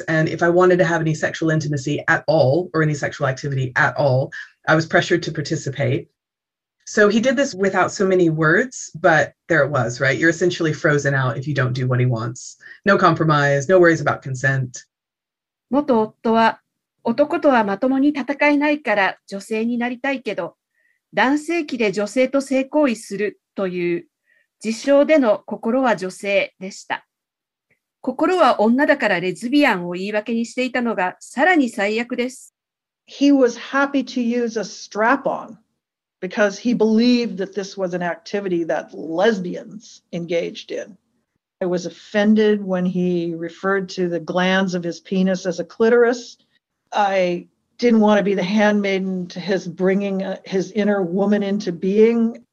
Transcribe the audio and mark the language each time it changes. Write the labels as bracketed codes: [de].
[en] And if I wanted to have any sexual intimacy at all or any sexual activity at all, I was pressured to participate. So he did this without so many words, but there it was, right? You're essentially frozen out if you don't do what he wants. No compromise, no worries about consent. [ja] 元夫は男とはまともに戦えないから女性になりたいけど、男性器で女性と性行為するという自称での心は女性でした。心は女だからレズビアンを言い訳にしていたのがさらに最悪です。 [en] He was happy to use a strap-on because he believed that this was an activity that lesbians engaged in. I was offended when he referred to the glands of his penis as a clitoris. I didn't want to be the handmaiden to his bringing his inner woman into being.